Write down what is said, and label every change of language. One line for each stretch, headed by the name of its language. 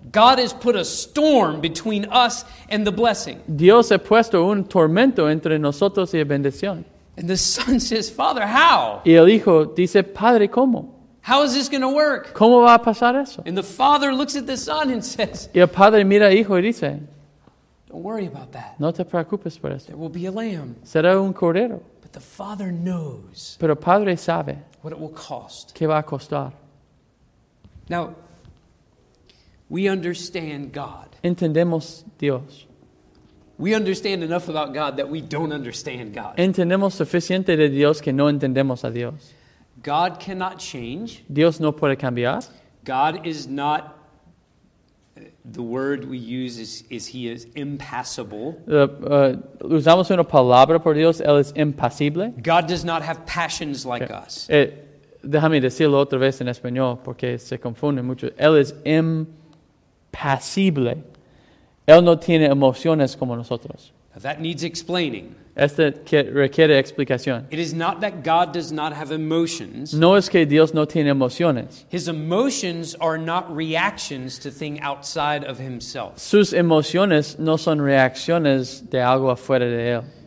English: God has put a storm between us and the blessing.
Spanish: Dios ha puesto un tormento entre nosotros y la bendición.
English: And the son says, Father, how?
Spanish: Y el hijo dice, Padre, ¿cómo?
English: How is this going to work?
Spanish: ¿Cómo va a pasar eso?
English: And the father looks at the son and says,
Spanish: y el padre mira al hijo y dice,
English: don't worry about that.
Spanish: No te preocupes por eso.
English: There will be a lamb.
Spanish: Será un cordero.
English: But the father knows.
Spanish: Pero el padre sabe.
English: What it will cost.
Spanish: ¿Qué va a costar?
English: Now, we understand God.
Spanish: Entendemos Dios.
English: We understand enough about God that we don't understand God.
Spanish: Entendemos suficiente de Dios que no entendemos a Dios.
English: God cannot change.
Spanish: Dios no puede cambiar.
English: God is not. The word we use is he is impassible.
Spanish: Usamos una palabra por Dios, él es impasible.
English: God does not have passions like okay. us.
Spanish: Déjame decirlo otra vez en español porque se confunde mucho. Él es impasible. Él no tiene emociones como nosotros.
English: Now that needs explaining.
Spanish: Esto requiere explicación.
English: It is not that God does not have emotions.
Spanish: No es que Dios no tiene emociones.
English: His emotions are not reactions to thing outside of himself.
Spanish: Sus emociones no son reacciones de algo afuera de él.